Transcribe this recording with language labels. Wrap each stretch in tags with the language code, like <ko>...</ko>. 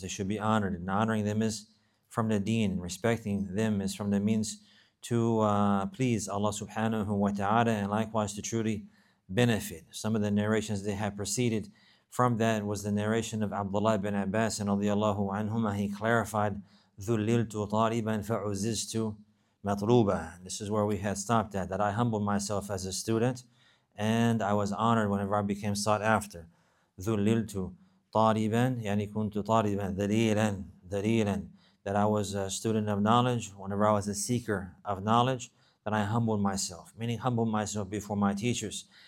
<en>They should be honored, and honoring them is from the deen, and respecting them is from the means to please Allah subhanahu wa ta'ala, and likewise to truly benefit. Some of the narrations they have proceeded from that was the narration of Abdullah ibn Abbas and radiallahu anhuma. He clarified,</en> <ar>ذُلِّلْتُ طَالِبًا فَعُزِّزْتُ مَطْلُوبًا.</ar> <en>This is where we had stopped at, that I humbled myself as a student and I was honored whenever I became sought after.</en> <ar>ذُلِّلْتُ طَالِبًا يعني كُنْتُ طَالِبًا ذَلِيلًا,</ar> <en>that I was a student of knowledge, whenever I was a seeker of knowledge, that I humbled myself, meaning humbled myself before my teachers.</en>